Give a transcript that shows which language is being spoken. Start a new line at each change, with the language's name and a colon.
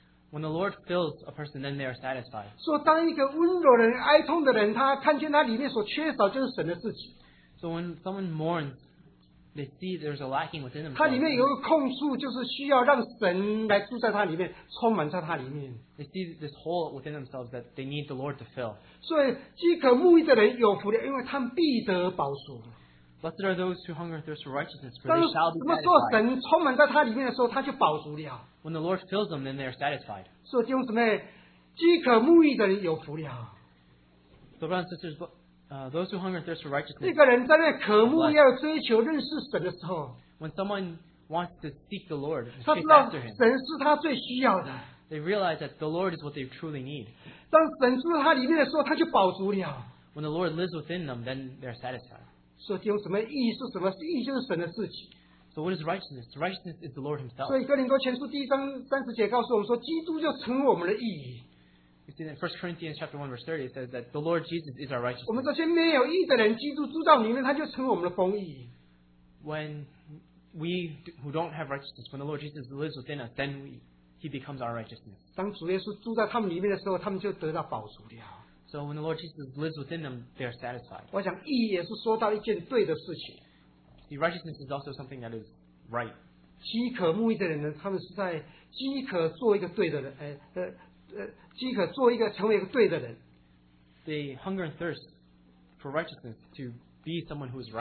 English: When the Lord fills a person, then they are satisfied.
Chinese: 说当一个温柔的人,哀痛的人,他看见他里面所缺少就是神的自己。
English: So when someone mourns, they see there's a lacking within them.
Chinese: 他里面有个空处,就是需要让神来住在他里面,充满在他里面。
English: They see this hole within themselves that they need the Lord to fill.
Chinese: 所以饥渴慕义的人有福了,因为他们必得饱足。
English: Blessed are those who hunger and thirst for righteousness, for they shall be satisfied.
Chinese: 什么时候神充满在他里面的时候,他就饱足了。
English: When the Lord fills them, then they are satisfied. So,
Chinese: 弟兄姊妹,饥渴慕义的人有福了。
English: So, brothers and sisters, those who hunger and thirst for righteousness,
Chinese: 那个人在那渴慕要追求认识神的时候,
English: when someone wants to seek the Lord, they realize that the Lord is what they truly need.
Chinese: 当神住在他里面的时候,他就饱足了。
English: When the Lord lives within them, then they are satisfied.
Chinese: 所以弟兄姊妹,义是什么?义就是神的自己。
English: So what is righteousness? Righteousness is the Lord Himself.
Chinese: 所以哥林多前书第一章三十节告诉我们说，基督就成了我们的义。
English: You see that 1 Corinthians chapter 1 verse 30 says that the Lord Jesus is our righteousness.
Chinese: 我们这些没有义的人，基督住在里面，他就成了我们的丰益。
English: When we who don't have righteousness, when the Lord Jesus lives within us, then we, He becomes our righteousness.
Chinese: 当主耶稣住在他们里面的时候，他们就得到保守了。
English: So when the Lord Jesus lives within them, they are satisfied.
Chinese: 我想义也是说到一件对的事情。
English: The righteousness is also something that is right.
Chinese: 饥渴慕义的人呢，他们是在饥渴做一个对的人，饥渴做一个成为一个对的人。
English: They hunger and thirst for righteousness to be someone who is right.